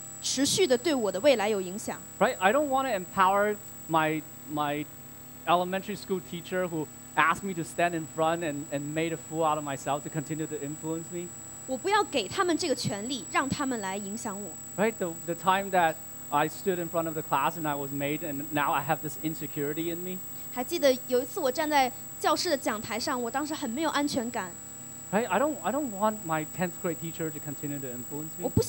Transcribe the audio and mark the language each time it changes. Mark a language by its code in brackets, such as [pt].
[zh] 我才不要让那些人持续的对我的未来有影响. [en] Right. I don't want to empower my elementary school teacher who asked me to stand in front and made a fool out of myself to continue to influence me. [zh] 我不要给他们这个权利，让他们来影响我. [en] Right. The time that I stood in front of the class and I was made and now I have this insecurity in me. [zh] 还记得有一次我站在教室的讲台上，我当时很没有安全感。 [en] Right, I don't want my 10th grade teacher to continue to influence me.